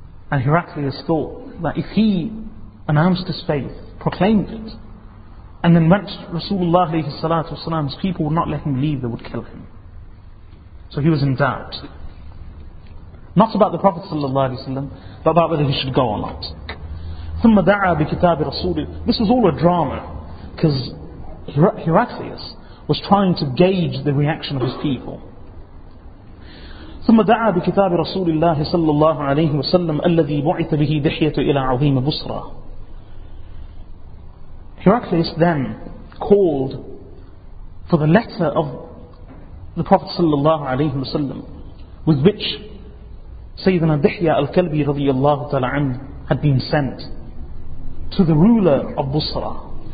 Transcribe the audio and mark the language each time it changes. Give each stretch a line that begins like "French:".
English: And Heraclius thought that if he announced his faith, proclaimed it, and then went to Rasulullah alayhi salatu wasalam, his people would not let him leave, they would kill him. So he was in doubt. Not about the Prophet sallallahu alayhi wasalam, but about whether he should go or not.
Arabic: ثُمَّ دَعَى بِكِتَابِ رَسُولِ.
English: This was all a drama, because Heraclius was trying to gauge the reaction of his people.
Arabic: ثم دعا بكتاب رسول الله صلى الله عليه وسلم الذي بعث به دحية إلى عظيم بصرة.
English: Heraclius then called for the letter of the Prophet
Arabic: صلى الله عليه وسلم
English: with which
Arabic: سيدنا دحية الكلبي رضي الله تعالى عنه
English: had been sent to the ruler of بصرة.